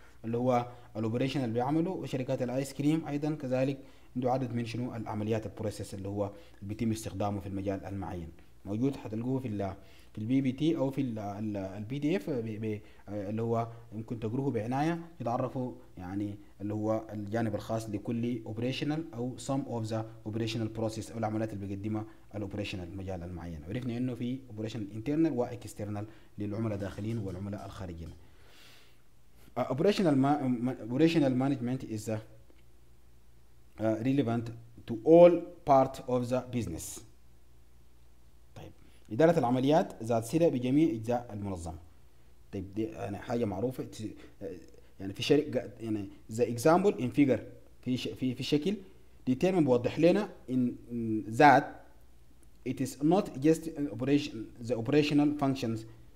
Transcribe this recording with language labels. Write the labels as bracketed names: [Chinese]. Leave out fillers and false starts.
[Arabic] اللي هو الاوبريشنال بيعمله وشركات الايس كريم ايضا كذلك عنده عدد من شنو العمليات البروسيس اللي هو بيتم استخدامه في المجال المعين موجود حتلقوه في البي بي تي او في البي دي اف اللي هو ممكن تقروه بعنايه تتعرفوا يعني اللي هو الجانب الخاص لكل اوبريشنال او [English] some of the operational process [Arabic] او العمليات اللي بيقدمها الاوبريشنال المجال المعين. عرفنا انه في اوبريشنال انترنال واكسترنال للعملاء الداخلين والعملاء الخارجين. [English] Operational management is relevant to all part of the business. [Arabic] طيب إدارة العمليات ذات صلة بجميع أجزاء المنظمة. طيب دي يعني حاجة معروفة يعني في شركة يعني [English] the example in figure [Arabic] في شكل [English] determine [Arabic] بوضح لنا [English] in that it is not just the operational functions.